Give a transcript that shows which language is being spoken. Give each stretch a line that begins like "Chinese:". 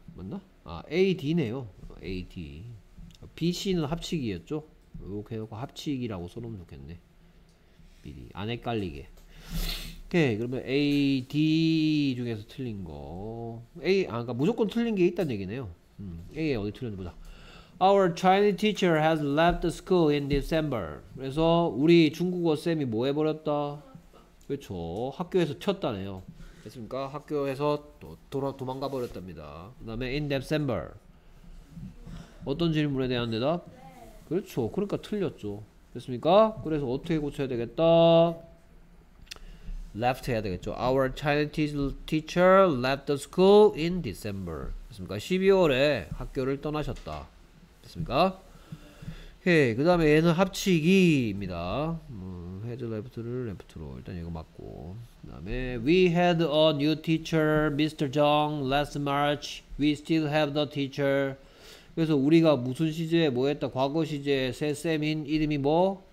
Korean: 맞나? 아, A, D네요. A, D. B, C는 합치기였죠? 이렇게 해놓고 합치기라고 써놓으면 좋겠네. 미리 안 헷갈리게. 오케이. 그러면 A, D 중에서 틀린 거. A, 그러니까 무조건 틀린 게 있다는 얘기네요. A에 어디 틀렸는지 보자.
English: Our Chinese teacher has left the school in December.
Korean: 그래서 우리 중국어 쌤이 뭐 해버렸다? 그렇죠. 학교에서 쳤다네요. 됐습니까? 학교에서 도망가 버렸답니다. 그 다음에
English: in December.
Korean: 어떤 질문에 대한 대답? 그렇죠. 그러니까 틀렸죠. 됐습니까? 그래서 어떻게 고쳐야 되겠다? Left 해야 되겠죠.
English: Our Chinese teacher left the school in December.
Korean: 됐습니까? 12월에 학교를 떠나셨다. 됐습니까? 오케이. 그 다음에 얘는 합치기입니다. 헤드 레프트를 레프트로 일단 이거 맞고. 그 다음에
English: We had a new teacher, Mr. Zhang, last March. We still have the teacher.
Korean: 그래서 우리가 무슨 시제에 뭐 했다? 과거 시제에 새 쌤인 이름이 뭐?